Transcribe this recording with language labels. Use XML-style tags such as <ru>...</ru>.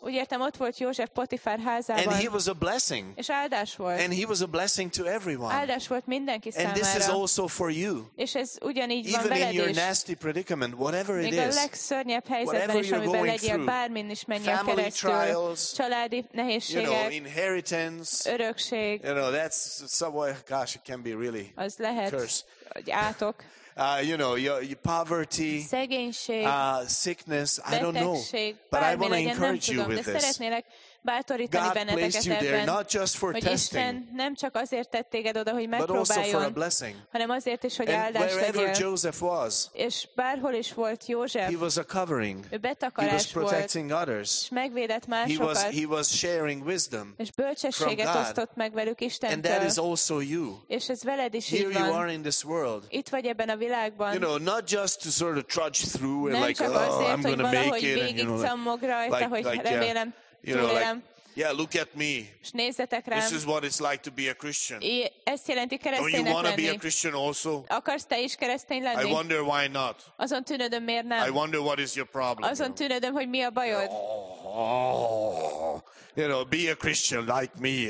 <hu>Úgy értem, ott volt József Potifár házában.</hu> <en>And he was a blessing.</en> <hu>És áldás volt.</hu> <en>And he was a blessing to everyone.</en> <hu>Áldás volt mindenki számára.</hu> <en>And this is also for you.</en> <hu>És ez ugyanígy</hu> <en>even</en> <hu>van veled is.</hu> <en>Even in your nasty predicament, whatever it</en> <hu>még</hu> <en>is.</en> <hu>A legszörnyebb helyzetben is, amiben legyél, bármin is menjél</hu> <en>family</en> <hu>keresztül.</hu> <en>Family trials.</en> <hu>Családi nehézségek.</hu> <en>You know, inheritance.</en> <hu>Örökség.</hu> <en>You know, that's somewhere, gosh, it can be really</en> <hu>az lehet,</hu> <en>curse.</en> <hu>Hogy átok.</hu> <en>You know, your poverty,</en> <hu>szegénység,</hu> <en>sickness,</en> <hu>betegség,</hu> <en>I don't know. But I want to encourage</en> <hu>tudom,</hu> <en>you with this.</en> <hu>bátorítani benneteket ebben, hogy Isten nem csak azért tett téged oda, hogy megpróbáljon, hanem azért is, hogy áldást legyél. És bárhol is volt József, ő betakarás volt, és megvédett másokat,</hu> <en>he was sharing wisdom,</en> <hu>és bölcsességet osztott meg velük Istentől. És ez veled is így van. Itt vagy ebben a világban.</hu> <en>You know, not just to sort of trudge through and</en> <hu>nem</hu> <en>like, oh,</en> <hu>azért,</hu> <en>I'm going to make it, and, you know,</en> <hu>remélem,</hu> <en>you know, like, yeah, look at me.</en> <hu>És nézzetek rám.</hu> <en>This is what it's like to be a Christian.</en> <hu>Ezt jelenti kereszténynek lenni.</hu> <en>Don't you want to be a Christian also?</en> <hu>Akarsz te is keresztény lenni?</hu> <en>I wonder why not.</en> <hu>Azon tűnődöm, miért nem?</hu> <en>I wonder what is your problem.</en> <hu>Azon tűnődöm, hogy mi a bajod?</hu> <en>Oh, you know, be a Christian like me.</en>